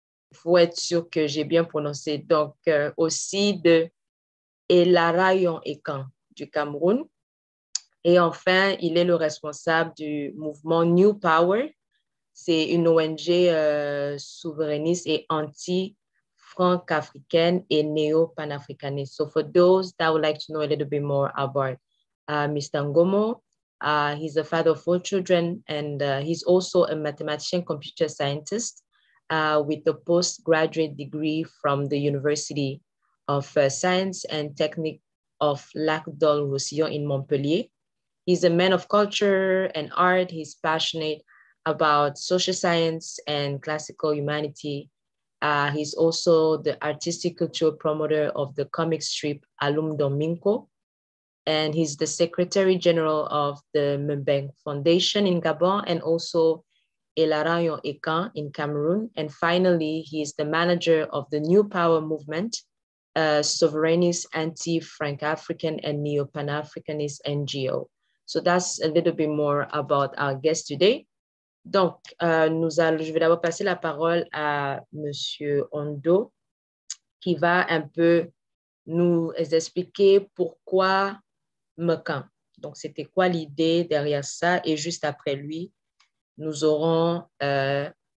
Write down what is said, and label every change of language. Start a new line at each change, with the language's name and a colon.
French: Il faut être sûr que j'ai bien prononcé. Donc, aussi de Elarayon Ekan du Cameroun. Et enfin, il est le responsable du mouvement New Power. C'est une ONG souverainiste et anti-franc-africaine et néo-panafricaniste.
English: So for those that would like to know a little bit more about Mr. Ngomo, he's a father of 4 children and he's also a mathematician computer scientist. With a postgraduate degree from the University of Science and Technique of Lac-Dol Roussillon in Montpellier. He's a man of culture and art. He's passionate about social science and classical humanity. He's also the artistic culture promoter of the comic strip Alum Domingo. And he's the secretary general of the Mbeng Foundation in Gabon and also Elarayon Ekan in Cameroon. And finally, he is the manager of the New Power Movement, a sovereignist, anti-Franco-African and neo-Pan-Africanist NGO. So that's a little bit more about our guest today.
French: Donc, je vais d'abord passer la parole à Monsieur Ondo, qui va un peu nous expliquer pourquoi Makan. Donc, c'était quoi l'idée derrière ça? Et juste après lui, nous aurons M.